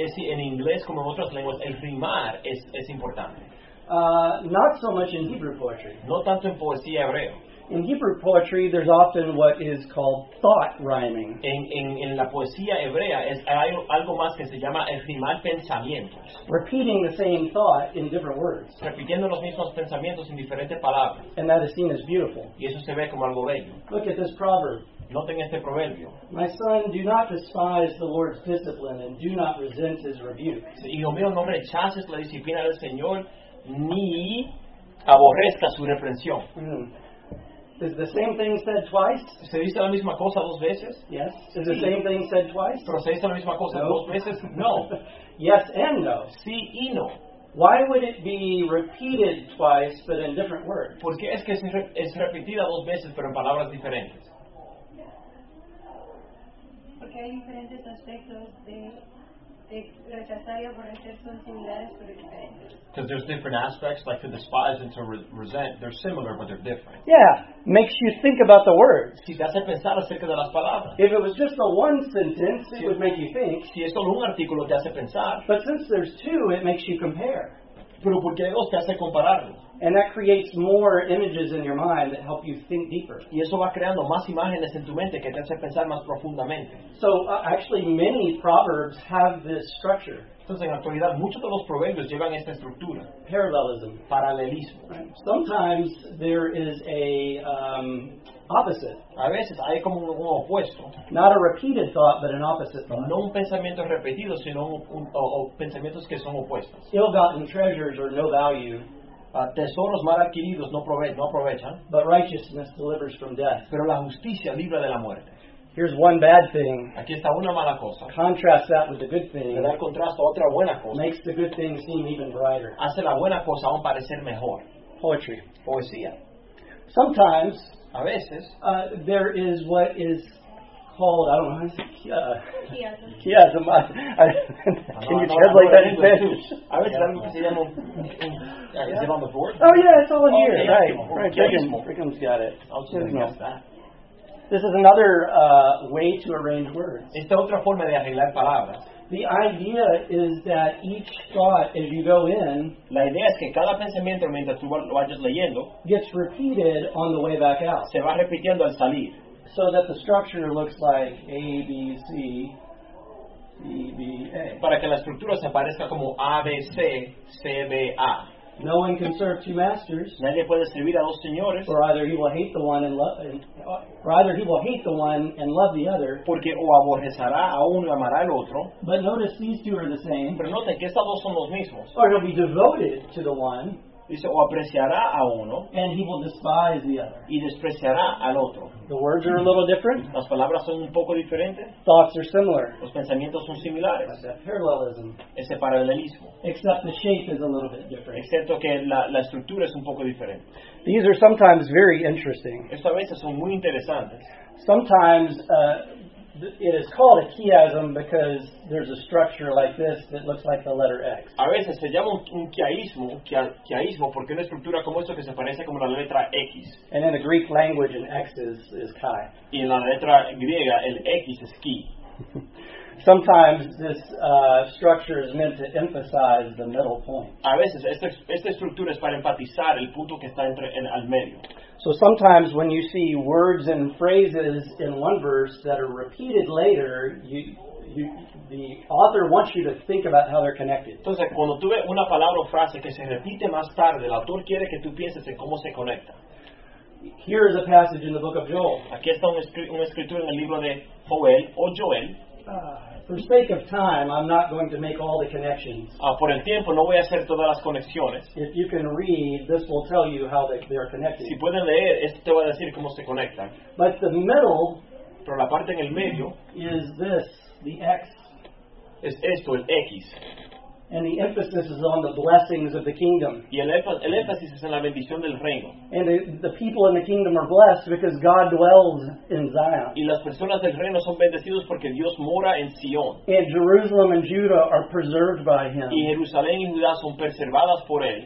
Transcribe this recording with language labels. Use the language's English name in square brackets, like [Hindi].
[Spanish] Es decir, en inglés como en otras lenguas, el rimar es importante. [English] Not so much in Hebrew poetry. [Spanish] No tanto en poesía hebrea. [English] In Hebrew poetry, there's often what is called thought rhyming. [Spanish] En la poesía hebrea es algo más que se llama rimar pensamientos. [English] Repeating the same thought in different words. [Spanish] Repitiendo los mismos pensamientos en diferentes palabras. [English] And that is seen as beautiful. [Spanish] Y eso se ve como algo bello. [English] Look at this proverb. [Spanish] Noten este proverbio. [English] My son, do not despise the Lord's discipline and do not resent his rebuke. [Spanish] Hijo mío, no rechaces la disciplina del Señor ni aborrezca su reprensión. [English] Is the same thing said twice? [Spanish] ¿Se dice la misma cosa dos veces? [English] Yes. Is the same thing said twice? [Spanish] ¿Pero se dice la misma cosa dos veces? [English] No. Yes and no. [Spanish] Sí y no. [English] Why would it be repeated twice but in different words? [Spanish] ¿Por qué es que es repetida dos veces pero en palabras diferentes? Porque hay diferentes aspectos de rechazar y aborrecer son similares pero diferentes. [English] Because there's different aspects, like to despise and to resent. They're similar, but they're different. Yeah, makes you think about the words. [Spanish] Si te hace pensar acerca de las palabras. [English] If it was just the one sentence, it would make you think. [Spanish] Si es solo un artículo, te hace pensar. [English] But since there's two, it makes you compare. [Spanish] Pero porque hay dos, te hace compararlo. [English] And that creates more images in your mind that help you think deeper. [Spanish] Y eso va creando más imágenes en tu mente que te hace pensar más profundamente. [English] So, actually, many proverbs have this structure. [Spanish] Entonces, en actualidad, muchos de los proverbios llevan esta estructura. [English] Parallelism. [Spanish] Paralelismo. Right. [English] Sometimes there is a opposite. [Spanish] A veces hay como un opuesto. [English] Not a repeated thought, but an opposite thought. [Spanish] No un pensamiento repetido, sino pensamientos que son opuestos. [English] Ill-gotten treasures are no value. [Spanish] Tesoros mal adquiridos no aprovechan. [English] But righteousness delivers from death. [Spanish] Pero la justicia libra de la muerte. [English] Here's one bad thing. [Spanish] Aquí está una mala cosa. [English] Contrast that with the good thing. [Spanish] Le da contraste a otra buena cosa. [English] Makes the good thing seem even brighter. [Spanish] Hace la buena cosa aún parecer mejor. [English] Poetry. [Spanish] Poesía. [English] Sometimes. [Spanish] A veces. [English] There is what is called, I don't know how to say, chiasm. Can you translate that in Spanish? [Spanish] A veces algo que se llama un... [English] Is it on the board? Oh yeah, it's all in here. Yeah, right. Brigham's got it. I'll just guess that. This is another way to arrange words. [Spanish] Esta otra forma de arreglar palabras. [English] The idea is that each thought, as you go in, [Spanish] la idea es que cada pensamiento mientras tú lo vayas leyendo, [English] gets repeated on the way back out. [Spanish] Se va repitiendo al salir. [English] So that the structure looks like A, B, C, C, B, A. [Spanish] Para que la estructura se parezca como A, B, C, C, B, A. [English] No one can serve two masters. [Spanish] Nadie puede servir a dos señores. [English] Or either he will hate the one and love, or either he will hate the one and love the other. [Spanish] Porque o aborrecerá a uno y amará al otro. [English] But notice these two are the same. [Spanish] Pero note que estos dos son los mismos. [English] Or he'll be devoted to the one. [Spanish] Dice, o apreciará a uno. [English] And he will despise the other. [Spanish] Y despreciará al otro. [English] The words are a little different. [Spanish] Las palabras son un poco diferentes. [English] Thoughts are similar. [Spanish] Los pensamientos son similares. [English] That's that parallelism. [Spanish] Ese paralelismo. [English] Except the shape is a little bit different. [Spanish] Excepto que la estructura es un poco diferente. [English] These are sometimes very interesting. [Spanish] Estas a veces son muy interesantes. [English] Sometimes it is called a chiasm because there's a structure like this that looks like the letter X. [Spanish] A veces se llama un chiasmo porque una estructura como esto que se parece como la letra X. [English] And in the Greek language, an X is chi. [Spanish] Y en la letra griega, el X es chi. [English] Sometimes this structure is meant to emphasize the middle point. [Spanish] A veces esta estructura es para enfatizar el punto que está al medio. [English] So sometimes when you see words and phrases in one verse that are repeated later, the author wants you to think about how they're connected. [Spanish] Entonces, cuando tú ves una palabra o frase que se repite más tarde, el autor quiere que tú pienses en cómo se conecta. [English] Here is a passage in the book of Joel. [Spanish] Aquí está una escritura en el libro de Joel o Joel. [English] For sake of time, I'm not going to make all the connections. [Spanish] Por el tiempo, no voy a hacer todas las conexiones. [English] If you can read, this will tell you how they are connected. [Spanish] Si pueden leer, esto te va a decir cómo se conectan. [English] But the middle, [Spanish] pero la parte en el medio, [English] is this, the X. [Spanish] Es esto, el X. [English] And the emphasis is on the blessings of the kingdom. [Spanish] Y el énfasis es en la bendición del reino. [English] And the people in the kingdom are blessed because God dwells in Zion. [Spanish] Y las personas del reino son bendecidos porque Dios mora en Sion. [English] And Jerusalem and Judah are preserved by him. [Spanish] Y Jerusalén y Judá son preservadas por él.